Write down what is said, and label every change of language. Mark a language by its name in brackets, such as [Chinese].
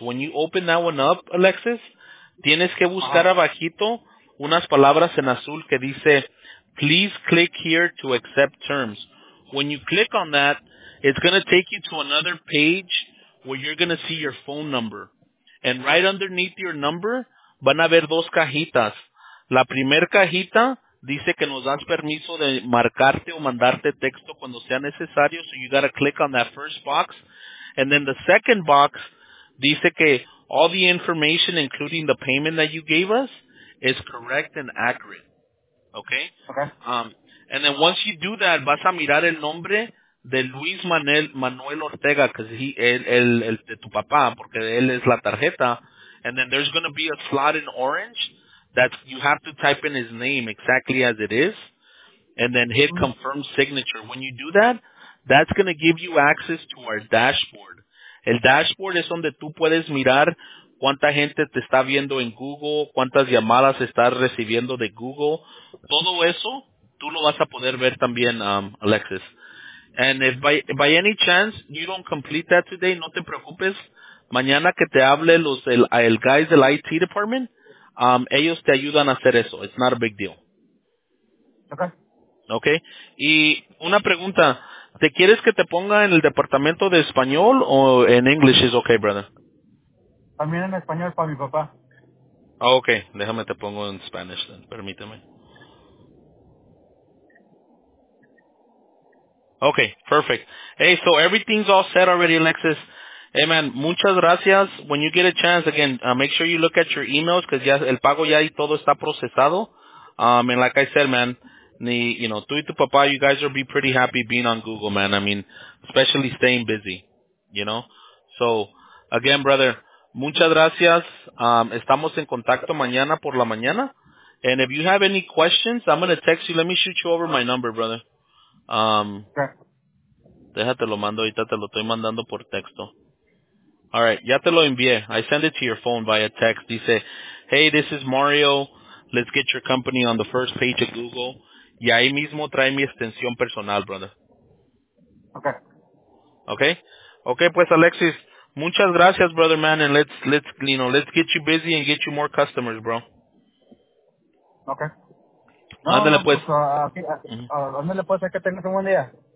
[English] When you open that one up, [Spanish] Alexis, tienes que buscar abajito unas palabras en azul que dice Please click here to accept terms. [English] When you click on that, it's going to take you to another page where you're going to see your phone number. And right underneath your number, [Spanish] van a haber dos cajitas. La primer cajita dice que nos das permiso de marcarte o mandarte texto cuando sea necesario. [English] So you got to click on that first box. And then the second box [Spanish] dice que [English] all the information, including the payment that you gave us, is correct and accurate. Okay. And then once you do that, [Spanish] vas a mirar el nombre de Luis Manuel Ortega, [English] because he [Spanish] el de tu papá, porque él es la tarjeta. [English] And then there's gonna be a slot in orange that you have to type in his name exactly as it is, and then hit confirm signature. When you do that, that's gonna give you access to our dashboard. [Spanish] El dashboard es donde tú puedes mirar cuánta gente te está viendo en Google, cuántas llamadas estás recibiendo de Google. Todo eso, tú lo vas a poder ver también, Alexis. [English] And if by any chance you don't complete that today, [Spanish] no te preocupes. Mañana que te hable el guys del IT department, ellos te ayudan a hacer eso. [English] It's not a big deal. Okay. [Spanish] Okay. Y una pregunta. ¿Te quieres que te ponga en el departamento de español o en [English] English is okay, brother? [Spanish] También en español para mi papá. Oh, okay, déjame te pongo en Spanish then. Permíteme. [English] Okay, perfect. Hey, so everything's all set already, Alexis. Hey, man, [Spanish] muchas gracias. [English] When you get a chance, again, make sure you look at your emails because [Spanish] ya el pago ya y todo está procesado. [English] And like I said, man, you know, [Spanish] tú y tu papá, [English] you guys will be pretty happy being on Google, man. I mean, especially staying busy, you know. So, again, brother, [Spanish] muchas gracias. Estamos en contacto mañana por la mañana. [English] And if you have any questions, I'm going to text you. Let me shoot you over my number, brother. [Spanish] Déjate lo mando, ahorita te lo estoy mandando por texto. Alright, ya te lo envié. [English] I send it to your phone via text. [Spanish] Dice, [English] hey, this is Mario. Let's get your company on the first page of Google. [Spanish] Y ahí mismo trae mi extensión personal, brother. [English] Okay. Okay? Okay, [Spanish] pues Alexis, muchas gracias, [English] brother, man, and let's get you busy and get you more customers, bro. Okay. [Spanish] No, ándale pues. Ándale pues, que tengas un buen día.